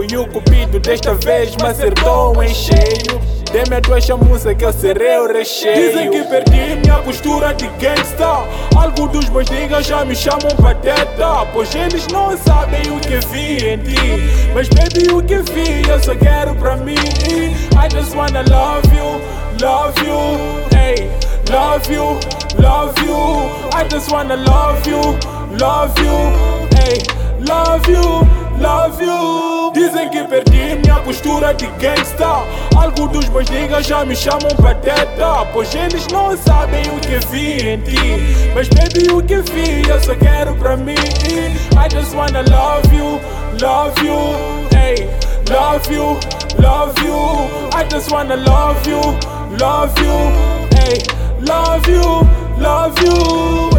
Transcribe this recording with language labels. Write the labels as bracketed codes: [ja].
[pt] E o cupido desta vez me acertou em cheio. Dê-me a tua chamusa que eu serei o recheio. Dizem que perdi minha postura de gangsta. Alguns dos meus niggas já me chamam pateta. Pois eles não sabem o que vi em ti. Mas baby, o que vi eu só quero pra mim. [en] I just wanna love you, love you, hey, love you, love you. I just wanna love you, love you, hey, love you, love you. [pt] Dizem que perdi minha postura de gangsta. Alguns dos meus niggas já me chamam pateta. Pois eles não sabem o que vi em ti. Mas baby, o que vi eu só quero pra mim. [en] I just wanna love you, love you, hey, love you, love you. I just wanna love you, love you, hey, love you, love you.